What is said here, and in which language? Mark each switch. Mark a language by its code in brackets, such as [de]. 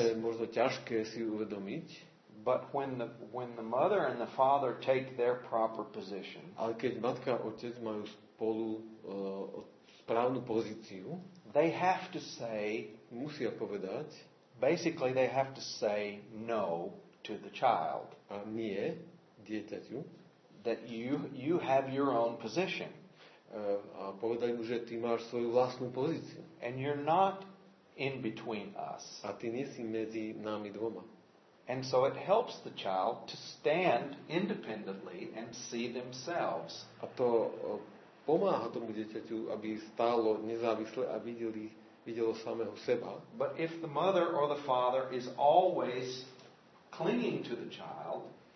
[sk] To je možno ťažké si uvedomiť. [en] But when the mother and the father take their proper position. [sk] Ale keď matka a otec majú spolu správnu pozíciu, [en] they have to say, [sk] musia povedať, [en] basically they have to say no to the child. [sk] A nie dieťaťu, [en] that you have your own position. [sk] A povedať mu, že ty máš svoju vlastnú pozíciu. [en] And you're not in between us. [sk] A ty nie si medzi nami dvoma. [en] And so it helps the child to stand independently and see themselves. [sk] A to pomáha tomu dieťaťu, aby stálo nezávisle a videlo samého seba. [en] But if the mother or the father is always clinging to the child,